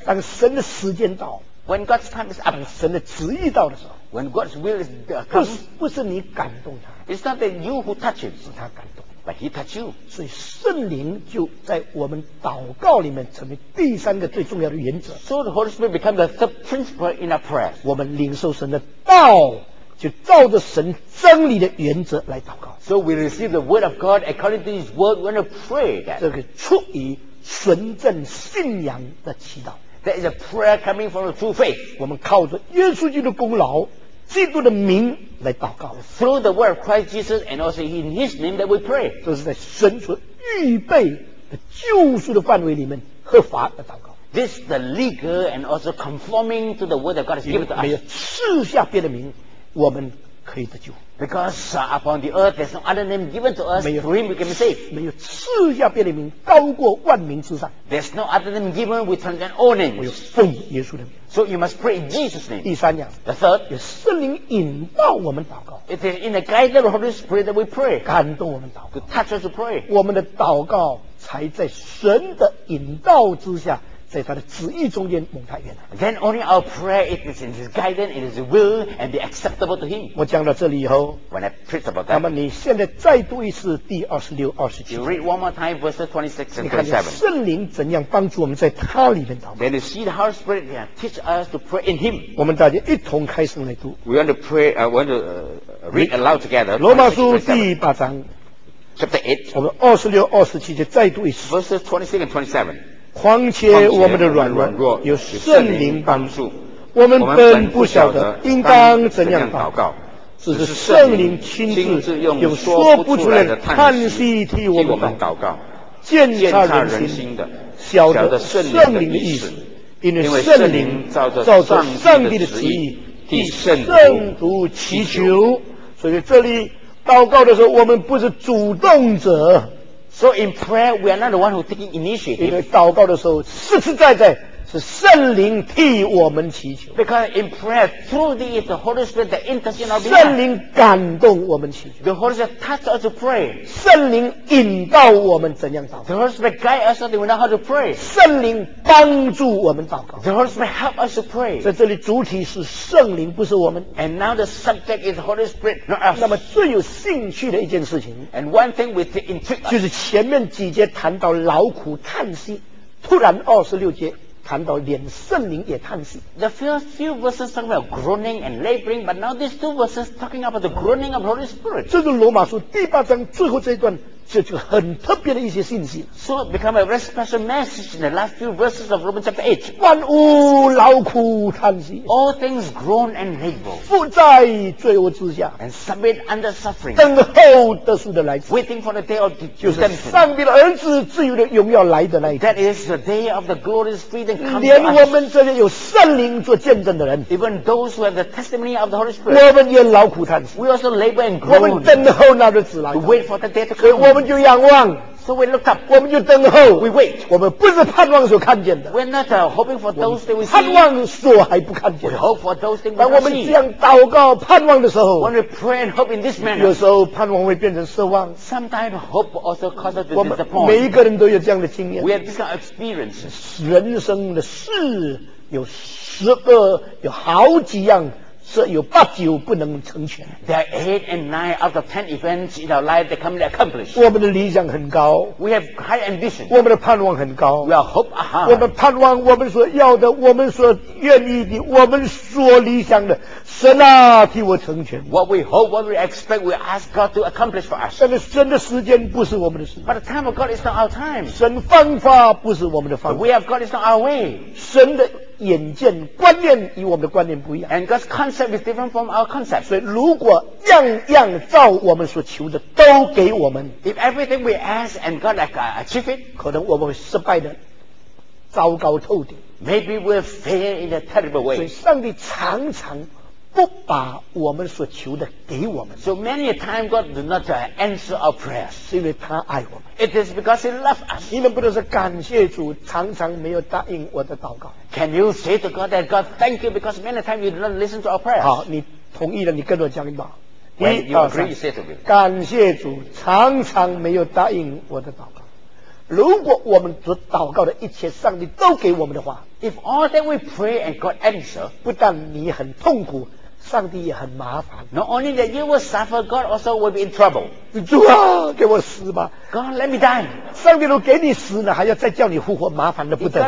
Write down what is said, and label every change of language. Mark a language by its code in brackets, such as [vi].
[zh] 当神的时间到 [en] ，When God's time is up， [zh] 当神的旨意到的时候 [en] ，When God's will is come， [zh] 不是你感动他 [en] ，It's not that you who touch him， [zh] 是他感动 [en] ，But he touch you。 [zh] 所以圣灵就在我们祷告里面成为第三个最重要的原则。 [en] So the Holy Spirit becomes the third principle in our prayer。 [zh] 我们领受神的道，就照着神真理的原则来祷告。 [en] So we receive the word of God according to His word when we pray。 [zh] 这个出于纯正信仰的祈祷 [en] ，That is a prayer coming from the true faith。 [zh] 我们靠着耶稣基督的功劳、基督的名来祷告。 [en] Through the word of Christ Jesus and also in His name that we pray。 [zh] 这是在神所预备的救赎的范围里面合法的祷告。 [en] This is the legal and also conforming to the word that God has given to us。 [zh] 没有赐下别的名，我们可以得救。 [en] Because upon the earth there's no other name given to us through him we can be saved. [zh] 没有赐下别的名高过万名之上。 [en] There's no other name given with transcendent all names. [zh] 我有奉耶稣的名。 [en] So you must pray in Jesus' name. [zh] 第三样。 [en] The third. [zh] 有圣灵引导我们祷告。 [en] It is in the guidance of the Holy Spirit that we pray. [zh] 感动我们祷告。 [en] To touch us to pray. [zh] 我们的祷告才在神的引导之下，在他的旨意中间蒙他悦纳。 [en] Then only our prayer it is in His guidance, it is His will, and be acceptable to Him. [zh] 我讲到这里以后 [en] ，When I preach about that， [zh] 那么你现在再读一次第二十六、二十七。 [en] You read one more time verses 26 and 27。 [zh] 你看见圣灵怎样帮助我们在他里面祷告 [en] ？Then you see the Holy Spirit can teach us to pray in Him。 [zh] 我们大家一同开声来读。 [en] We want to pray, read aloud together。 [zh] 罗马书第八章 [en] ，Chapter 8。 [zh] 我们二十六、二十七节再读一次 [en] ，verses 26 and 27。 [zh] 况且我们的软弱有圣灵帮助，我们本不晓得应当怎样祷告，只是圣灵亲自用说不出来的叹息替我们祷告，鉴察人心的晓得圣灵的意思，因为圣灵照着上帝的旨意替圣徒祈求。所以这里祷告的时候我们不是主动者。 [en] So in prayer, we are not the one who taking initiative. [zh] 因为祷告的时候，实实在在是圣灵替我们祈求。 [en] Because in prayer, through the it, the Holy Spirit that intercedes on our behalf. [zh] 圣灵感动我们祈求。 [en] The Holy Spirit touch us to pray. [zh] 圣灵引导我们怎样祷告。 [en] The Holy Spirit guide us so that we know how to pray. [zh] 圣灵帮助我们祷告。 [en] The Holy Spirit help us to pray. [zh] 在这里主体是圣灵，不是我们。 [en] And now the subject is Holy Spirit, not us. [zh] 那么最有兴趣的一件事情。 [en] And one thing with the intrigue. [zh] 就是前面几节谈到劳苦叹息，突然二十六节。谈到连圣灵也叹息。 [en] The first few verses talking about groaning and laboring, but now these two verses talking about the groaning of the Holy Spirit. [zh] 这是罗马书第八章最后这一段，这就很特别的一些信息。 [en] So it become a very special message in the last few verses of Romans chapter 8. [zh] 万物劳苦叹息。 [en] All things groan and labor. [zh] 伏在罪恶之下。 [en] And submit under suffering. [zh] 等候得赎的来自。 [en] Waiting for the day of redemption. [zh] 就是上帝的儿子自由的荣耀来的那一天。 [en] That is the day of the glorious freedom coming. [zh] 连我们这些有圣灵做见证的人。 [en] Even those who have the testimony of the Holy Spirit. [zh] 我们也劳苦叹息。 [en] We also labor and groan. [zh] 我们等候那日子来。 [en] To wait for the day to come. [zh] 我们就仰望 [en] ，so we look up， [zh] 我们就等候 [en] ，we wait， [zh] 我们不是盼望所看见的 [en] ，we're not hoping for those that we see， [zh] 盼望所还不看见 [en] ，we hope for those things。 [zh] 当我们这样祷告盼望的时候 [en] ，when we pray and hope in this manner， [zh] 有时候盼望会变成失望 [en] ，sometimes hope also causes disappointment。 [zh] 我们每一个人都有这样的经验 [en] ，we have this kind of experience。 [zh] 人生的事有十个，有好几样。是有八九不能成全。 [en] There are eight and nine out of ten events in our life that cannot accomplish. [zh] 我们的理想很高。 [en] We have high ambition. [zh] 我们的盼望很高。 [en] We are hope high. [zh] 我们盼望我们所要的，我们所愿意的，我们所理想的，神啊，替我成全。 [en] What we hope, what we expect, we ask God to accomplish for us. [zh] 但是神的时间不是我们的时间。 [en] But the time of God is not our time. [zh] 神方法不是我们的方法。 [en] We have God is not our way. [zh] 神的眼见观念与我们的观念不一样 [en] and God's concept is different from our concept [zh] 所以如果样样照我们所求的都给我们 [en] if everything we ask and God like achieve it [zh] 可能我们会失败的糟糕透顶 [en] maybe we'll fail in a terrible way [zh] 所以上帝常常不把我们所求的给我们 [en] so many a time God does not answer our prayers [zh] 是因为他爱我们 [en] it is because he loves us [zh] 你们不能说感谢主常常没有答应我的祷告 [en] can you say to God that God thank you because many a time you do not listen to our prayers [zh] 好你同意了你跟我讲吧 [en] when you agree you say to me [zh] 感谢主常常没有答应我的祷告如果我们所祷告的一切上帝都给我们的话， [en] If all that we pray and God answer, [zh] 不但你很痛苦，上帝也很麻烦。 [en] Not only that you will suffer, God also will be in trouble. [zh] 主啊，给我死吧。 [en] God, let me die. [zh] 上帝都给你死了，还要再叫你复活，麻烦得不得了。